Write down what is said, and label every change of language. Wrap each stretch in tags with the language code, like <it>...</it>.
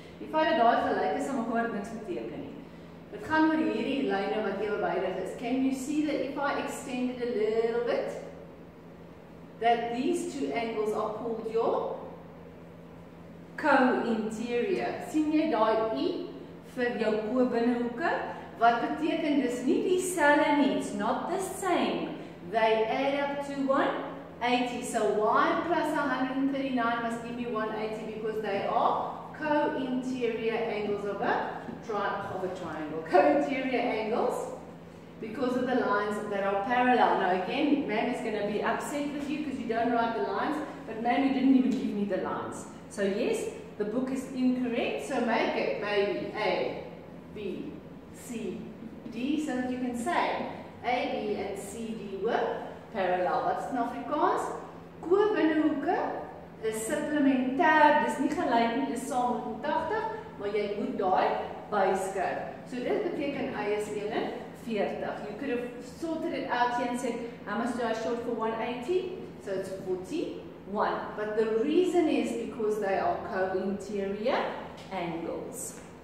<en>If I had</en> <af>daai gelyke som gekom het, niks beteken nie. Dit gaan oor hierdie lyne wat ewebeide is.</af> <en>Can you see that if I extended a little bit? That these two angles are called your co-interior.</en> <af>Sien jy daai U vir jou bo-binnehoeke? Wat beteken dis nie dieselfde nie,</af> <en>it's not the same. They add up to 180. So Y plus 139 must give me 180 because they are co-interior angles of a triangle. Co-interior angles. Because of the lines that are parallel. Now again, ma'am is going to be upset with you because you don't write the lines, but ma'am, you didn't even give me the lines. So yes, the book is incorrect, so make it maybe A, B, C, D, so that you can say A, B and C, D were parallel. What's in Afrikaans?</en> <af>Ko-binnehoeke is supplementair, dis nie gelyk nie, dis saam met 80, maar jy moet daai byskryf. So dit beteken A is 1, 40.</af> <en>You could have sorted it out here and said, how much do I short for 180? So it's 41. But the reason is because they are co-interior angles.</en>